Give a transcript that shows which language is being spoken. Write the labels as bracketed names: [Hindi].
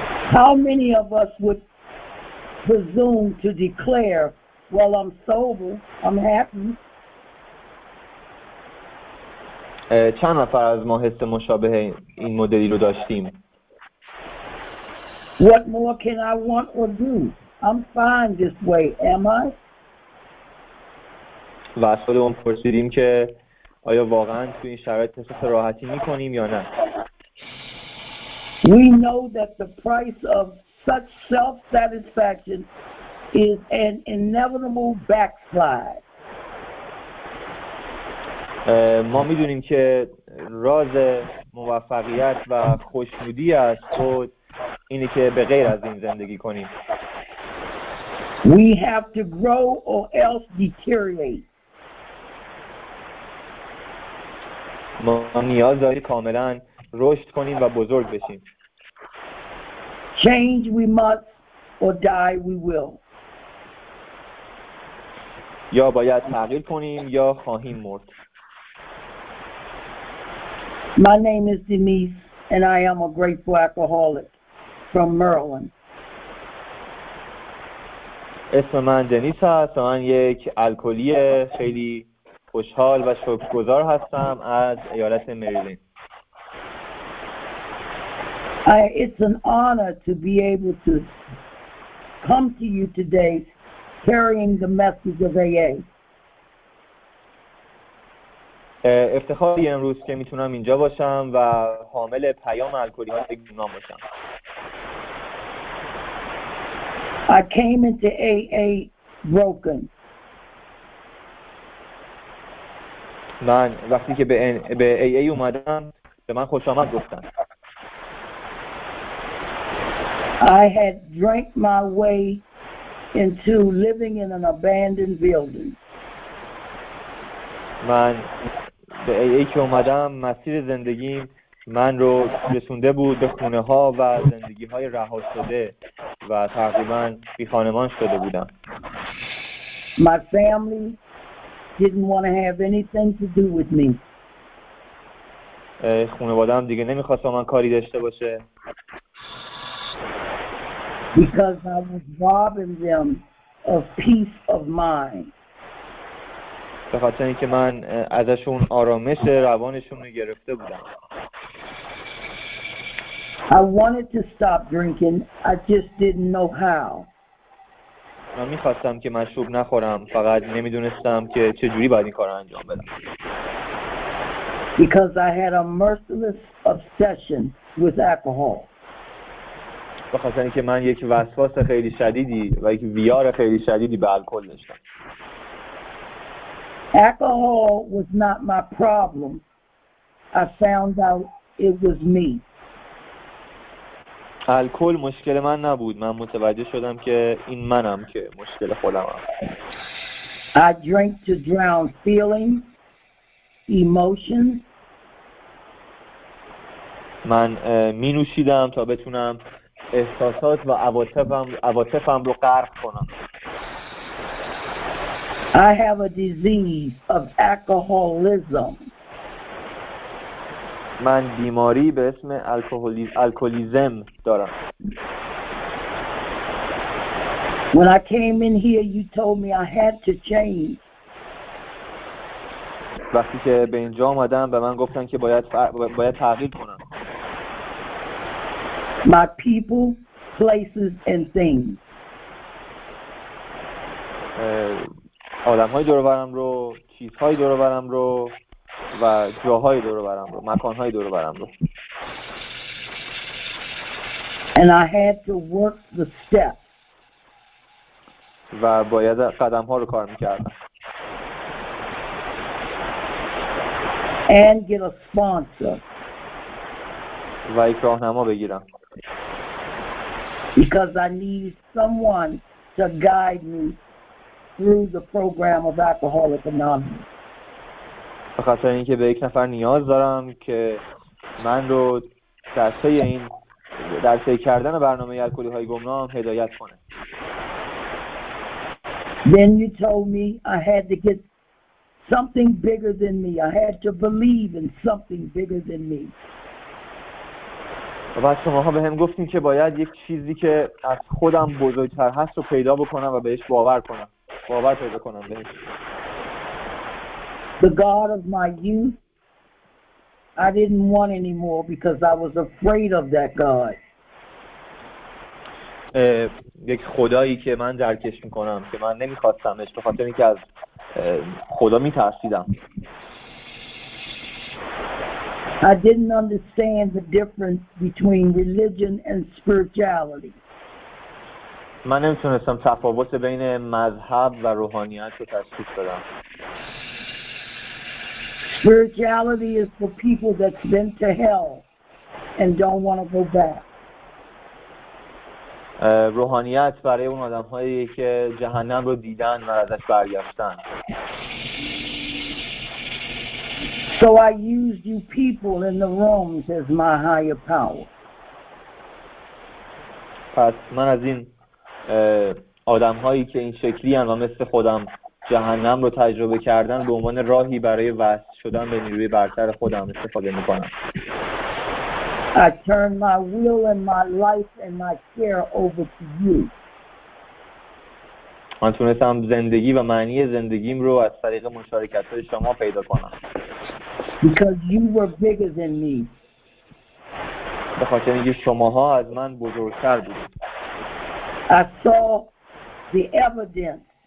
[English] How many of us would presume to declare, well, I'm sober, I'm happy? [Persian] چند نفر از ما حس مشابه این مدلی رو داشتیم؟ [English] What more can I want or do? I'm fine this way, am I? [Persian] و از خودمون پرسیدیم که آیا واقعا تو این شرایط احساس راحتی میکنیم یا نه. [English] We know that the price of such self-satisfaction is an inevitable backslide. [Persian] ما میدونیم که راز موفقیت و خوشنودی از خود اینه که به غیر از این زندگی کنیم. [English] We have to grow or else deteriorate. [Persian] ما نیاز داریم کاملا رشد کنیم و بزرگ بشیم. [English] Change we must or die we will. [Persian] یا باید تغییر کنیم یا خواهیم مرد. [English] My name is Denise. and I am a grateful alcoholic from Maryland. [Persian] اسم من دنیس هست و من یک الکلی خیلی خوشحال و شکرگزار هستم از ایالت مریلند. [English] It's an honor to be able to come to you today carrying the message of AA. [Persian] افتخاری امروز که میتونم اینجا باشم و حامل پیام الکلی های گمنام باشم. [English] I came into AA broken. [Persian] من وقتی که به AA اومدم به من خوش آمد گفتن. [English] I had drank my way into living in an abandoned building. [Persian] من به AA که اومدم مسیر زندگیم من رو رسونده بود به خونه ها و زندگی های رها شده و تقریبا بی خانمان شده بودم. [English] My family didn't want to have anything to do with me. [Persian] خانواده‌ام دیگه نمیخواست من کاری داشته باشه. [English] Because I was robbing them of peace of mind. [Persian] به خاطر اینکه من ازشون آرامش روانشون رو گرفته بودم. [English] I wanted to stop drinking, I just didn't know how. [Persian] من می‌خواستم که مشروب نخورم، فقط نمی‌دونستم که چجوری باید این کار رو انجام بدم. [English] Because I had a merciless obsession with alcohol. [Persian] به خاطر اینکه من یک وسواس خیلی شدیدی و یک ویار خیلی شدیدی به الکل داشتم. [English] Alcohol was not my problem. I found out it was me. [Persian] الکل مشکل من نبود. من متوجه شدم که این منم که مشکل خودمم. [English] I drank to drown feelings, emotions. [Persian] من می نوشیدم تا بتونم احساسات و عواطفم رو غرق کنم. [English] I have a disease of alcoholism. [Persian] من بیماری به اسم الکولیزم دارم. [English] When I came in here you told me I had to change. [Persian] وقتی که به اینجا آمدم به من گفتن که باید تغییر کنم. [English] My people, places and things. [Persian] آدم های دور و برم رو، چیزهای دور و برم رو و جاهای دور و برم رو، مکانهای دور و برم رو. [English] And I had to work the steps. [Persian] و باید قدم ها رو کار میکردم. [English] And get a sponsor. [Persian] و یک راهنما بگیرم. [English] Because I need someone to guide me through the program of Alcoholics Anonymous. [Persian] به خاطر اینکه به یک نفر نیاز دارم که من رو در طی این در طی کردن برنامه الکلی های گمنام هدایت کنه. [English] Then you told me I had to get something bigger than me. I had to believe in something bigger than me. [Persian] و بعد شماها به هم گفتین که باید یک چیزی که از خودم بزرگتر هست رو پیدا بکنم و بهش باور کنم. باور پیدا کنم بهش. [English] The God of my youth, I didn't want anymore because I was afraid of that God. [Persian] یک خدایی که من درکش میکنم که من نمیخواستمش به خاطر اینکه از خدا میترسیدم. [English] I didn't understand the difference between religion and spirituality. [Persian] من نمیتونستم تفاوت بین مذهب و روحانیت رو تشخیص بدم. [English] Spirituality is for people that's been to hell and don't want to go back. [Persian] روحانیت برای اون آدم‌هایی که جهنم رو دیدن و ازش برگشتن. [English] So I used you people in the rooms as my higher power. [Persian] پس من از این آدم‌هایی که این شکلی هم و مثل خودم جهنم رو تجربه کردن به عنوان راهی برای وصل شدن به نیروی برتر خودم استفاده می‌کنم. [English] I turn my will and my life and my care over to you. [Persian] من تونستم زندگی و معنی زندگیم رو از طریق مشارکت‌های شما پیدا کنم. [English] Because you were bigger than me. [Persian] به خاطر اینکه شماها از من بزرگتر بودید. [English] I saw the evidence.